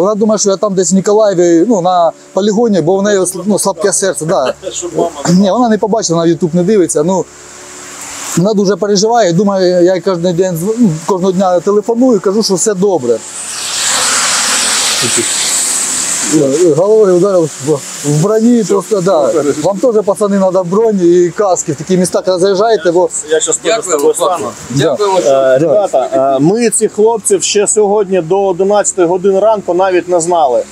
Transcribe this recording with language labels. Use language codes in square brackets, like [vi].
[uk] Вона думає, що я там десь в Ніколаєві, на полігоні, бо в неї слабке серце, да. Ні, вона не побачила, вона YouTube не дивиться. Ну, вона дуже переживає, думаю, я їй кожного дня телефоную, кажу, що все добре. [ru] головой ударил в броне, все, просто, все, да. Хорошо. Вам тоже, пацаны, надо броню и каски. В такие места, когда заезжает его. Я сейчас тоже с тобой стану. Ребята, мы этих хлопцев еще сегодня [uk] до 11 годин ранку навіть не знали.